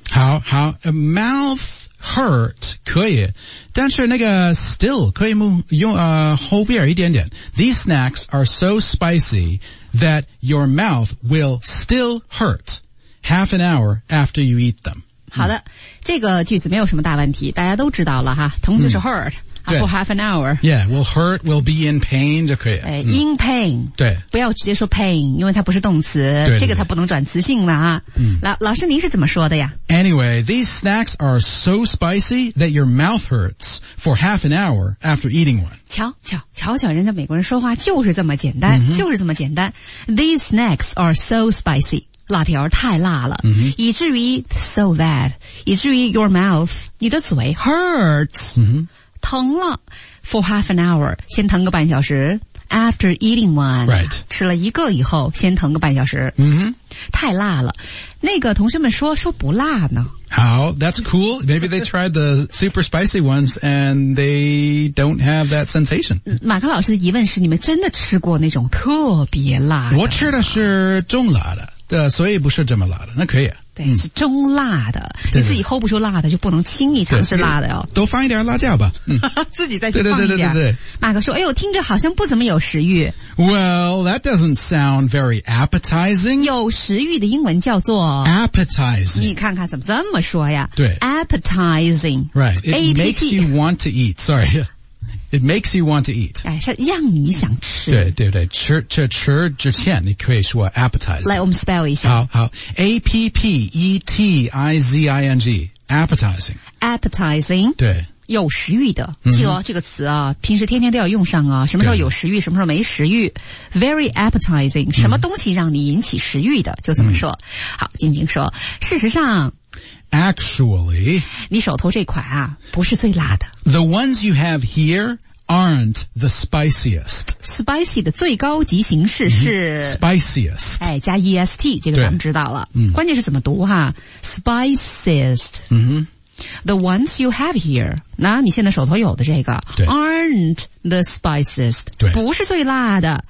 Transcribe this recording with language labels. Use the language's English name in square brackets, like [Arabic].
[Chinese] 好好， [English] mouth hurt [Chinese] 可以，但是那个 still 可以用后边一点点。 [English] These snacks are so spicy that your mouth will still hurt half an hour after you eat them. [Chinese] 好的，这个句子没有什么大问题，大家都知道了哈，疼就是 hurt。 [English] For half an hour. Yeah, will hurt, will be in pain [Chinese] 就可以。 [English] In pain. [Chinese] 对。不要直接说 pain, 因为它不是动词。对对对，这个它不能转词性了啊。老师您是怎么说的呀？ [English] Anyway, these snacks are so spicy that your mouth hurts for half an hour after eating one. [Chinese] 瞧瞧人家美国人说话就是这么简单、 mm-hmm. 就是这么简单。 [English] These snacks are so spicy. [Chinese] 辣条太辣了。 Mm-hmm. 以至于 [English] so bad, 以至于 your mouth, 你的嘴 hurts.、 Mm-hmm. 疼了 for half an hour, [Chinese] 先疼个半小时 [English] after eating one,、 right. [Chinese] 吃了一个以后先疼个半小时、 mm-hmm. 太辣了。那个同学们说不辣呢。 [English] How? That's cool. Maybe they tried the super spicy ones and they don't have that sensation. [Chinese] 马克老师的疑问是你们真的吃过那种特别辣的？我吃的是中辣的，对，所以不是这么辣的，那可以。对，是中辣的、嗯、你自己 hold 不住辣的就不能轻易尝试辣的哦。多放一点辣椒吧、嗯、自己再去放一点。对对对对对对，马克说哎呦听着好像不怎么有食欲。 [English] Well, that doesn't sound very appetizing. [Chinese] 有食欲的英文叫做 [English] appetizing. [Chinese] 你看看怎么这么说呀。对， [English] appetizing. Right, it、 A-P-T. Makes you want to eat. Sorry, it makes you want to eat. [Chinese] 让你想吃。对对对，吃之前你可以说 appetizing. 来我们 spell 一下。 [English] 好好， appetizing, appetizing. Appetizing. [Chinese] 对。有食欲的，记得、嗯、这个词啊，平时天天都要用上啊。什么时候有食欲，什么时候没食欲 ， [English] very appetizing， [Chinese] 什么东西让你引起食欲的，嗯、就怎么说。好，静静说，事实上 [English] ，actually， [Chinese] 你手头这款啊，不是最辣的。 [English] The ones you have here aren't the spiciest。 [Chinese] Spicy 的最高级形式是、嗯、 [English] spiciest， [Chinese] 哎，加 est， 这个咱们知道了。嗯、关键是怎么读哈、啊、，spiciest。嗯哼。 [English] The ones you have here, [Chinese] 那你现在手头有的这个 [English] aren't the spiciest, [Chinese] 不是最辣的、